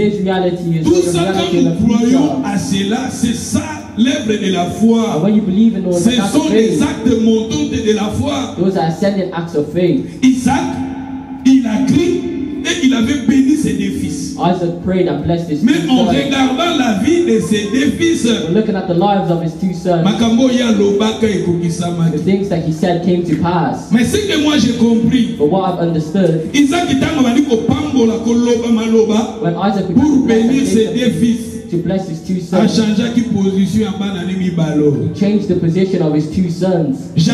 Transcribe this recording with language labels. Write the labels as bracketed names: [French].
[English] Today's reality is your reality in the future. [French] L'œuvre de la foi, [English] when you believe in [French] ce sont les actes montants de la foi. [English] Those are ascending acts of faith. [French] Isaac, il a crié et il avait béni ses deux fils. [English] Isaac prayed and blessed his [French] mais [English] two sons. [French] Mais en regardant la vie de ses deux fils, [English] we're looking at the lives of his two sons, the things that he said came to pass. [French] Mais ce que moi j'ai compris, [English] but what I've understood, [French] Isaac était en train de [Lingala] pambola ko loba maloba [English] when Isaac [French] began pour bénir ses deux fils. [English] To bless his two sons. He changed the position of his two sons.